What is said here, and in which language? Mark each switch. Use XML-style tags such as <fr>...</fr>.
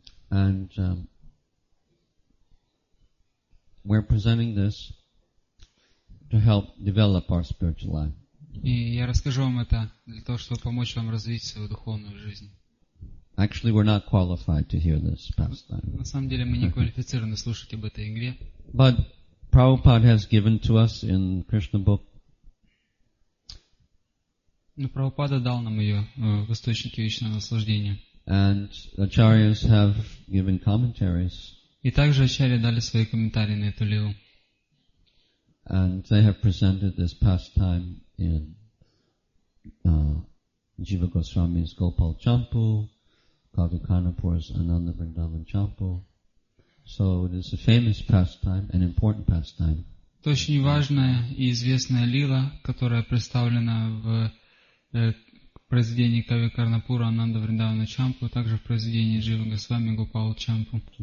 <en>And we're presenting this to help develop our spiritual life.</en> <ru>И я расскажу вам это для того, чтобы помочь вам развить свою духовную жизнь.</ru> <en>Actually, we're not qualified to hear this pastime.</en> <ru>На самом деле, мы не квалифицированы слушать об этой игре.</ru> <en>But Prabhupada has given to us in Krishna book.</en> <ru>Но Прабхупада дал нам ее в источнике вечного наслаждения.</ru> <en>And acharyas have given commentaries.</en> <ru>И также ачарьи дали свои комментарии на эту лилу.</ru> <en>And they have presented this pastime in Jiva Goswami's Gopal Champu, Kavi Kanapur's Ananda Vrindavan Champu. So it is a famous pastime, an important pastime.</en> <ru>Это очень важная и известная лила, которая представлена в произведении Кави Карнапура Ананда Вриндавана Чампу, также в произведении Джива Госвами Гопала Чампу.</ru>